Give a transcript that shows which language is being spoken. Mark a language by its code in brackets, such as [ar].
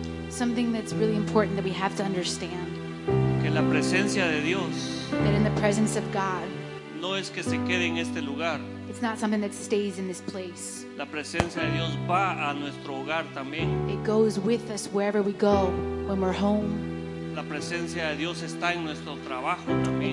[en] Something that's really important that we have to understand. [es] Que la presencia de Dios. [en] That in the presence of God. [es] No es que se quede en este lugar. [en] It's not something that stays in this place. [es] La presencia de Dios va a nuestro hogar también. [en] It goes with us wherever we go when we're home. [es] La presencia de Dios está en nuestro trabajo también.